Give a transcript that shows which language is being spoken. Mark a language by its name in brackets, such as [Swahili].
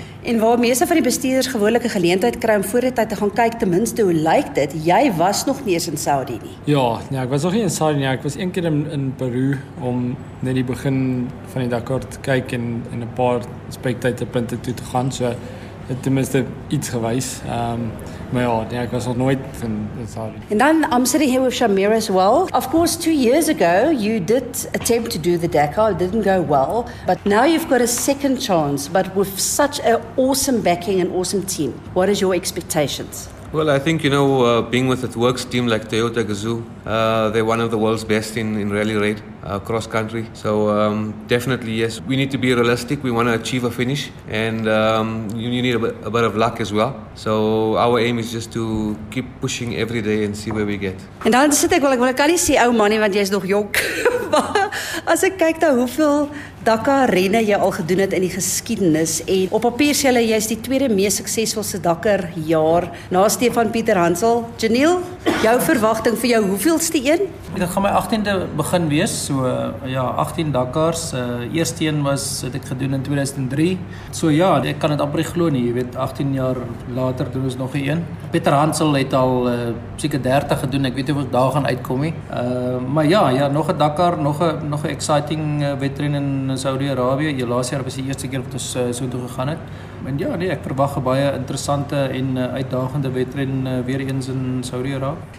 [Afrikaans] En waar meeste van die bestuurders gewoonlik 'n geleentheid kry om voor die tyd te gaan kyk, ten minste hoe lyk dit? Jy was nog nie eens in Saudi nie. Ja, nee, ek was nog nie in Saudi nie. Ek was een keer in Peru om net die begin van die Dakar te kyk en in 'n paar spektatorpunte toe te gaan. So het ten minste iets gewys. Ek was nog nooit in Saudi. [English] And then I'm sitting here with Shamir as well. Of course, 2 years ago, you did attempt to do the Dakar. It didn't go well. But now you've got a second chance, but with such an awesome backing and awesome team. What is your expectations? Well, I think, being with a works team like Toyota Gazoo, they're one of the world's best in rally raid cross country. So definitely, yes, we need to be realistic. We want to achieve a finish, and you need a bit of luck as well. So our aim is just to keep pushing every day and see where we get. [Afrikaans] And dan sit ek wel, ek kan nie sê ou manie, want jy's nog jonk. As ek kyk na hoeveel Dakar renne jy al gedoen het in die geskiedenis, en op papier sê hulle jy is die tweede mees suksesvolle Dakar jaar na Stefan Pieter Hansel. Janelle, jou verwagting vir jou, hoeveelste een? Dit gaan my 18de begin wees, so ja, 18 Dakars. Eerste een was, het ek gedoen in 2003. So ja, ek kan dit amper glo nie, jy weet, 18 jaar later doen ons nog 'n een. Pieter Hansel het al seker 30 gedoen, ek weet nie of ons daar gaan uitkom nie. Maar nog 'n Dakar, nog 'n exciting wedren in Saudi-Arabië. Jy laas jaar was die eerste keer wat ons so toe gegaan het. En ja, nee, ek verwag 'n baie interessante en uitdagende wedren weer eens in Saudi-Arabië.